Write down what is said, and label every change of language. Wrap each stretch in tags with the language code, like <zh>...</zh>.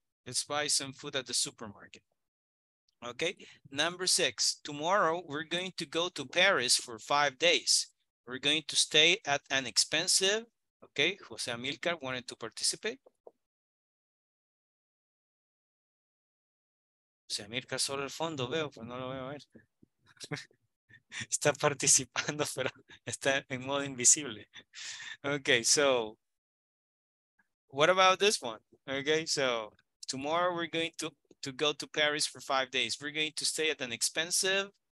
<en>Let's buy some food at the supermarket. Okay. Number six. Tomorrow, we're going to go to Paris for 5 days. We're going to stay at an expensive. Okay. Jose Amilcar wanted to participate.</en> <es>Jose Amilcar, solo el fondo veo, pero no lo veo a ver. Está participando, pero está en modo invisible.</es> <en>Okay, so what about this one? Okay, so tomorrow we're going to go to Paris for 5 days. We're going to stay at an expensive.</en>